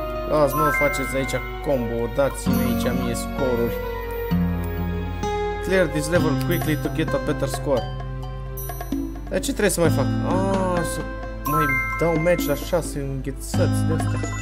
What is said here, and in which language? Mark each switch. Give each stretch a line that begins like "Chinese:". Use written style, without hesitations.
Romanian: Lasă, nu faceți aici combo-uri. Dați-mi aici mie score-uri.
English: Clear this level quickly to get a better score.
Romanian: Dar ce trebuie să mai fac? Să mai dau match la 6 înghețăți de astea.